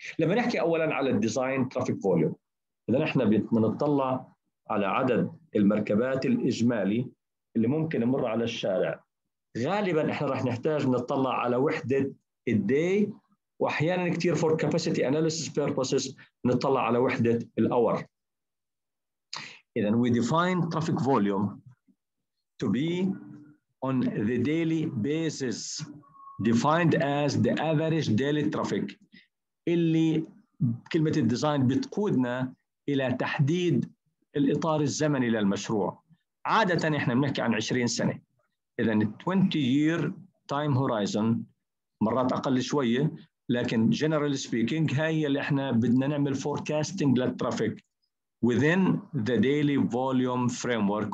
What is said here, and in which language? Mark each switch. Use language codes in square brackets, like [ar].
[ar] لما نحكي أولاً على الديزاين ترافيك فوليوم، إذا نحن بنطلع على عدد المركبات الإجمالي اللي ممكن يمر على الشارع، غالباً إحنا راح نحتاج نطلع على وحدة الداي، وأحياناً كتير [en] for capacity analysis purposes [ar] نطلع على وحدة الأور. [en] إذا we define traffic volume to be on the daily basis defined as the average daily traffic. [ar] اللي كلمة الديزاين بتقودنا إلى تحديد الإطار الزمني للمشروع. عادة إحنا بنحكي عن 20 سنة. إذا [en] 20 year time horizon، [ar] مرات أقل شوية، لكن [en] generally speaking [ar] هاي اللي إحنا بدنا نعمل forecasting للترافيك [en] within the daily volume framework.